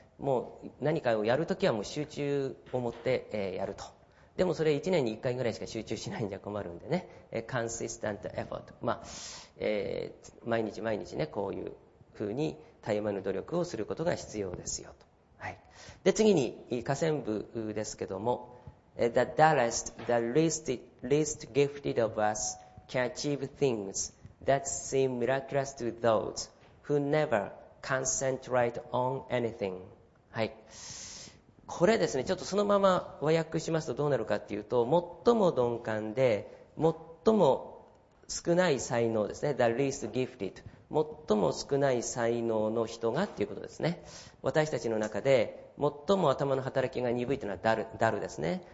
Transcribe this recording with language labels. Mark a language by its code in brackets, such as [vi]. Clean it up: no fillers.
[ja] もう何かをやるときはもう集中を持ってやると。でもそれ1年に1回ぐらいしか集中しないんじゃ困るんでね。コンシスタントエファート、毎日毎日ね、こういうふうにたゆまぬ努力をすることが必要ですよと。はい。で、次に下線部ですけども、 [en] the dullest, the least gifted of us can achieve things that seem miraculous to those who never concentrate on anything. [ja] はい。これですね、ちょっとそのまま和訳しますとどうなるかっていうと、最も鈍感で、最も少ない才能ですね。 [en] The least gifted。 [ja] 最も少ない才能の人がっていうことですね。私たちの中で最も頭の働きが鈍いというのはダルですね。